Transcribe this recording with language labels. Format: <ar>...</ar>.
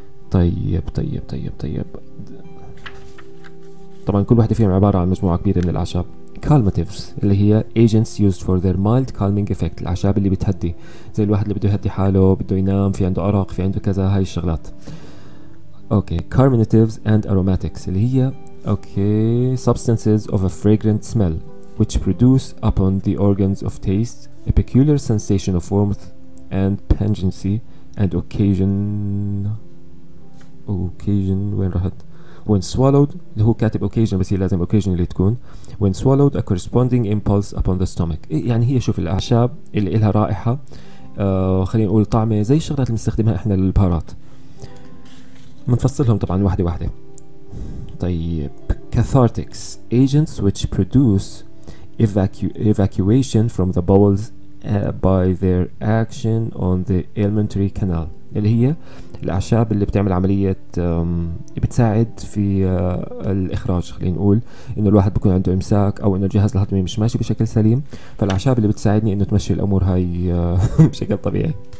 <ar>طيب طيب طيب طيب طبعا كل واحدة فيهم عبارة عن مجموعة كبيرة من الأعشاب. calmatives اللي هي</ar> <en>agents used for their mild calming effect،</en> <ar>الأعشاب اللي بتهدي زي الواحد اللي بده يهدي حاله بده ينام في عنده أرق في عنده كذا هاي الشغلات.</ar> <en>okay carminatives and aromatics</en> <ar>اللي هي</ar> <en>okay substances of a fragrant smell which produce upon the organs of taste a peculiar sensation of warmth and pungency and occasion occasion when</en> <ar>رحت</ar> <en>when swallowed</en> <ar>اللي هو كاتب</ar> <en>occasion</en> <ar>بس هي لازم</ar> <en>occasionally تكون when swallowed a corresponding impulse upon the stomach.</en> <ar>يعني هي شوف الأعشاب اللي إلها رائحة خلينا نقول طعمة زي الشغلات اللي بنستخدمها إحنا للبهارات، منفصلهم طبعا واحدة واحدة. طيب cathartics</ar> <en>agents which produce evacuation from the bowels by their action on the alimentary canal،</en> <ar>اللي هي الأعشاب اللي بتعمل عملية بتساعد في الإخراج، خلينا نقول إنه الواحد بيكون عنده إمساك أو إنه الجهاز الهضمي مش ماشي بشكل سليم، فالأعشاب اللي بتساعدني إنه تمشي الأمور هاي بشكل طبيعي.</ar>